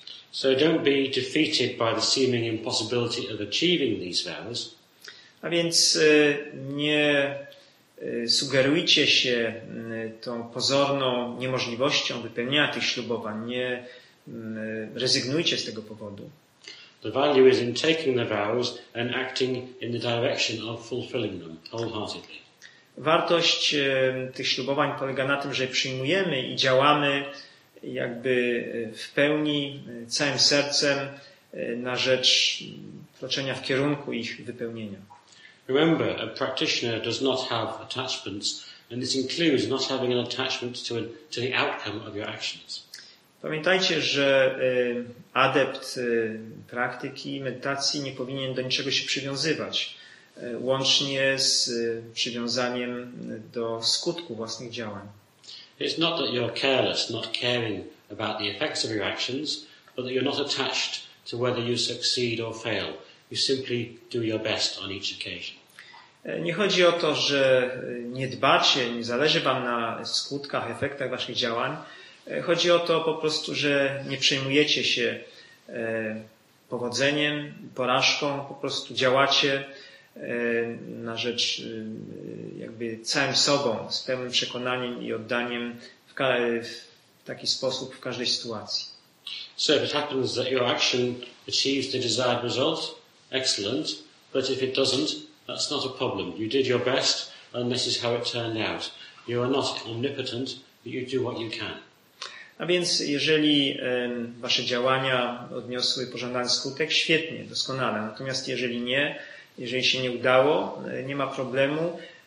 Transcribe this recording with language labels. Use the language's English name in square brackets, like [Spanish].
[English] So don't be defeated by the seeming impossibility of achieving these vows. [Polish] A więc nie sugerujcie się tą pozorną niemożliwością wypełnienia tych ślubowań. Nie rezygnujcie z tego powodu. [English] The value is in taking the vows and acting in the direction of fulfilling them wholeheartedly. [Polish] Wartość tych ślubowań polega na tym, że przyjmujemy i działamy jakby w pełni, całym sercem na rzecz kroczenia w kierunku ich wypełnienia. [English] Remember, a practitioner does not have attachments, and this includes not having an attachment to the outcome of your actions. [Polish] Pamiętajcie, że adept praktyki medytacji nie powinien do niczego się przywiązywać, łącznie z przywiązaniem do skutku własnych działań. [English] It's not that you're careless, not caring about the effects of your actions, but that you're not attached to whether you succeed or fail. You simply do your best on each occasion. [Polish] Nie chodzi o to, że nie dbacie, nie zależy wam na skutkach, efektach waszych działań. Chodzi o to po prostu, że nie przejmujecie się powodzeniem, porażką, po prostu działacie na rzecz jakby całym sobą, z pełnym przekonaniem i oddaniem w taki sposób w każdej sytuacji. [English] So if it happens that your action achieves the desired result, excellent, but if it doesn't, that's not a problem. You did your best and this is how it turned out. You are not omnipotent, but you do what you can. [Polish] A więc jeżeli wasze działania odniosły pożądany skutek, świetnie, doskonale. Natomiast jeżeli nie, jeżeli się nie udało, nie ma problemu.